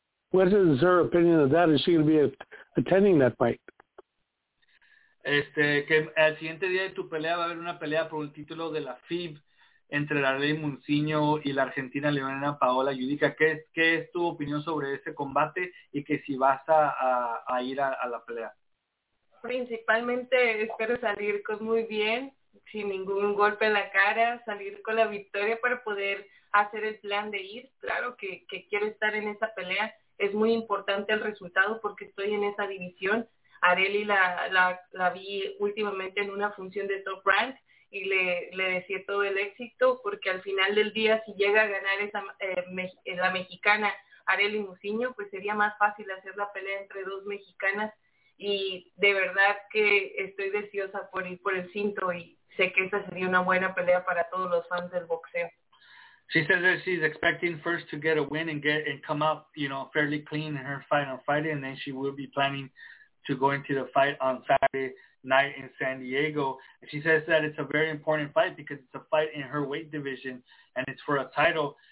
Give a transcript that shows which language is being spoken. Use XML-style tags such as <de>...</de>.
<en>What is her opinion of that? Is she going to be attending that fight?</en> <es>Que al siguiente día de tu pelea va a haber una pelea por un título de la FIB entre la Ley Munciño y la argentina Leonela Paola Yudica. ¿Qué es tu opinión sobre ese combate y que si vas a ir a la pelea? Principalmente espero salir con muy bien, sin ningún golpe en la cara, salir con la victoria para poder hacer el plan de ir. Claro que quiero estar en esa pelea. Es muy importante el resultado porque estoy en esa división. Areli la vi últimamente en una función de Top Rank y le deseé todo el éxito porque al final del día si llega a ganar esa la mexicana Areli Musiño, pues sería más fácil hacer la pelea entre 2 mexicanas y de verdad que estoy deseosa por ir por el cinto y sé que esa sería una buena pelea para todos los fans del boxeo.</es> <en>She says that she's expecting first to get a win and come out, you know, fairly clean in her final fight, and then she will be planning to go into the fight on Saturday night in San Diego. She says that it's a very important fight because it's a fight in her weight division and it's for a title.</en>